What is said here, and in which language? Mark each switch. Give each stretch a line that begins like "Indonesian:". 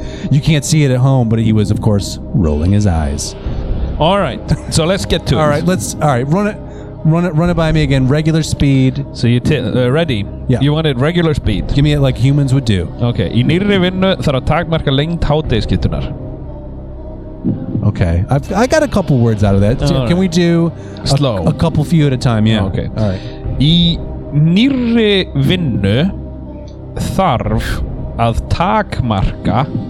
English: You can't see it at home, but he was, of course, rolling his eyes. All right. So let's get to it. All right. Run it by me again. Regular speed. So you ready? Yeah. You wanted regular speed. Give me it like humans would do.
Icelandic: Okay. Í nýrri vinnu þarf að takmarka lengd hádegisskiptunar.
English: Okay. I got a couple words out of that. Can we do slow? A couple few at a time, yeah. Okay. All right.
Icelandic: Í nýrri vinnu þarf að takmarka.